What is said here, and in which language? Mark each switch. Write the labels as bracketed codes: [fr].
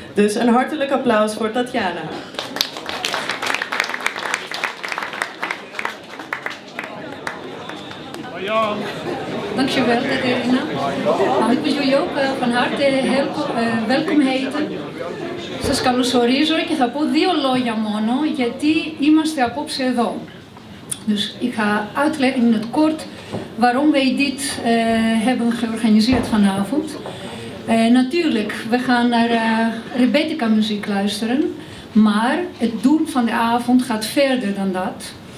[nl] Dus een hartelijk applaus voor Tatjana. Dankjewel, Katerina. Nou, ik wil jullie ook van harte welkom heten. [el] Σας καλωσορίζω και θα πω δύο λόγια μόνο γιατί είμαστε απόψε εδώ. [nl] Dus ich uitleg in het kort waarom wij dit hebben georganiseerd vanavond. Natuurlijk, we gaan naar Rebetica muziek luisteren, maar het doel van de avond gaat verder dan dat.